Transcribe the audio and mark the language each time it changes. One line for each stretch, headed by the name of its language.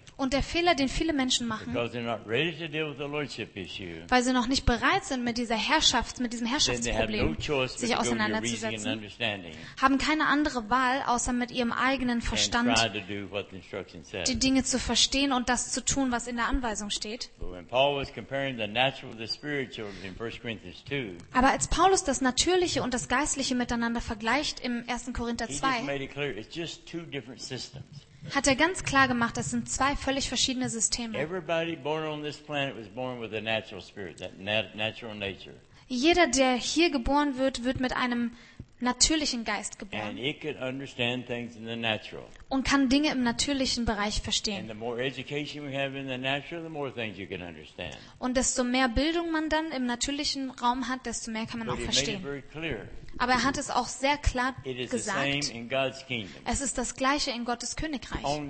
German: Und der Fehler, den viele Menschen machen, weil sie noch nicht bereit sind, mit diesem Herrschaftsproblem sich auseinanderzusetzen, haben keine andere Wahl, außer mit ihrem eigenen Verstand die Dinge zu verstehen und das zu tun, was in der Anweisung steht. Aber als Paulus das Natürliche und das Geistliche miteinander vergleicht im 1. Korinther 2, hat es klar gemacht, es sind nur zwei verschiedene Systeme. Hat er ganz klar gemacht, das sind zwei völlig verschiedene Systeme.
English: Everybody born on this planet was born with a natural spirit, that natural nature.
German: Jeder, der hier geboren wird, wird mit einem natürlichen Geist geboren.
English: And it could understand things in the natural.
German: Und kann Dinge im natürlichen Bereich verstehen.
English: And the more education we have in the natural, the more things you can understand.
German: Und desto mehr Bildung man dann im natürlichen Raum hat, desto mehr kann man auch verstehen. Aber er hat es auch sehr klar gesagt. Es ist das Gleiche in Gottes Königreich.